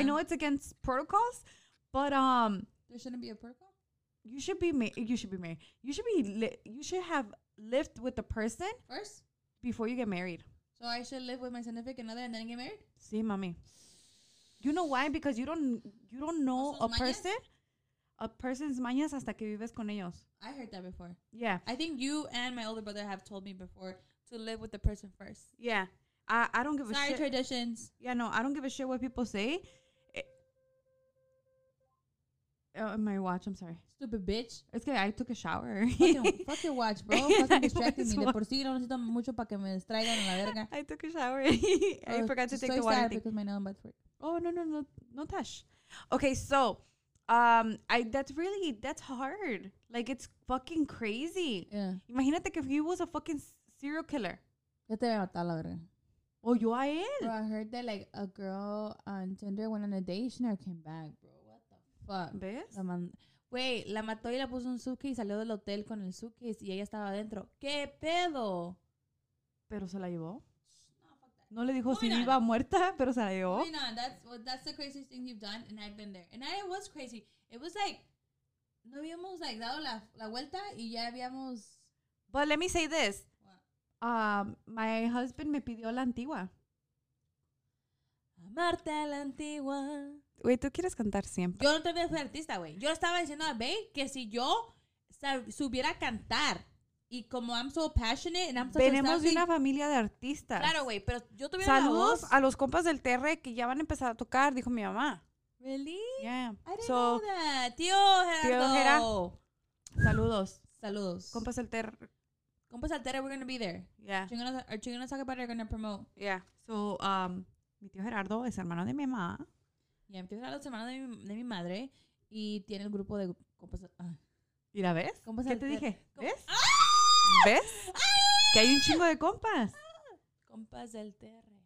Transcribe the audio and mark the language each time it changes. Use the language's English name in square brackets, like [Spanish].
[English] I know it's against protocols, but there shouldn't be a protocol. You should be married. You should have lived with the person first before you get married. So I should live with my significant other and then get married? [Spanish] Sí, mami. [English] You know why? Because you don't know a person. A person's [Spanish] mañas hasta que vives con ellos. [English] I heard that before. Yeah. I think you and my older brother have told me before. To live with the person first. Yeah. I don't give Sorry, a shit. Sorry, traditions. Yeah, no, I don't give a shit what people say. My watch, I'm sorry. Stupid bitch. It's okay, I took a shower. Fuck your watch, bro. Fucking distracting me. [Spanish] De por sí, no necesito mucho para que me distraigan en la verga. [English] I took a shower. I forgot to take the water. I'm sad because my nail bed's work. Oh, no. No touch. Okay, so that's hard. Like, it's fucking crazy. Yeah. [Spanish] Imagínate que [English] if he was a fucking... serial killer. [Spanish] Yo te voy a matar, la verdad. Oh, yo a él. [English] Bro, I heard that like a girl on Tinder went on a date, she never came back, bro. What the fuck? [Spanish] ¿Ves? La mató y la puso un suitcase y salió del hotel con el suitcase y ella estaba adentro. ¿Qué pedo? ¿Pero se la llevó? No le dijo si viva o muerta, pero se la llevó. [English] No, that's the craziest thing you've done and I've been there. And it was crazy. It was like, [Spanish] no habíamos like dado la vuelta y ya habíamos... [English] But let me say this. My husband [Spanish] me pidió la antigua. Amarte a la antigua. Güey, tú quieres cantar siempre. Yo no te voy a ser artista, güey. Yo estaba diciendo a Babe que si yo supiera cantar y como [English] I'm so passionate and I'm so [Spanish] venimos de una familia de artistas. Claro, güey, pero yo tuviera saludos la voz. A los compas del TR que ya van a empezar a tocar, dijo mi mamá. [English] ¿Really? Yeah. I didn't know that. Tío Gerardo. Tío Gera. [Spanish] Saludos. Saludos. Compas del TR. [English] Compas del TR, we're going to be there. Yeah. Are you going to talk about it or going to promote? Yeah. [Spanish] So, mi tío Gerardo es hermano de mi mamá. Yeah, mi tío Gerardo es hermano de mi madre. Y tiene el grupo de Compas del ¿Y la ves? Compas ¿Qué alter. Te dije? ¿Ves? ¡Ah! ¿Ves? ¡Ah! Que hay un chingo de compas. Compas del TR.